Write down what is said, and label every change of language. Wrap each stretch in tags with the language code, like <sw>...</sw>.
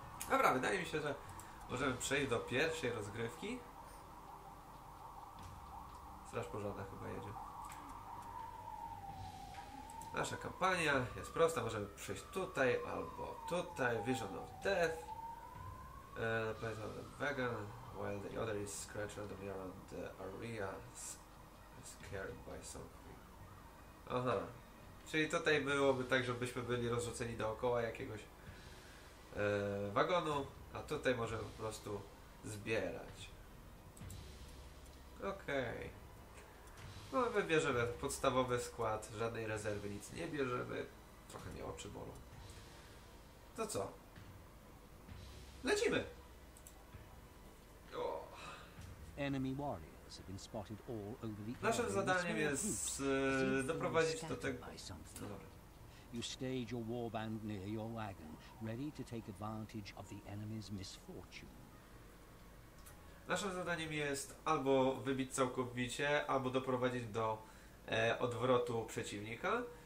<pl>Dobra, wydaje mi się, że możemy przejść do pierwszej rozgrywki. Straż pożarna chyba jedzie. Nasza kampania jest prosta, możemy przejść tutaj albo tutaj. Vision of Death. Pamiętam,</pl> <en>the vegan, while the other is scratched randomly around the area, scared by something.</en> <pl>Aha, czyli tutaj byłoby tak, żebyśmy byli rozrzuceni dookoła jakiegoś wagonu, a tutaj możemy po prostu zbierać. Okej. No, wybierzemy podstawowy skład, żadnej rezerwy, nic nie bierzemy. Trochę mnie oczy bolą. To co? Lecimy!</pl> <en>Enemy warriors have been spotted all over the area.</en> <pl>Naszym zadaniem jest doprowadzić do tego.</pl> <en>You stage your warband near your wagon, ready to take advantage of the enemy's misfortune.</en> <pl>Naszym zadaniem jest albo wybić całkowicie, albo doprowadzić do odwrotu przeciwnika.</pl>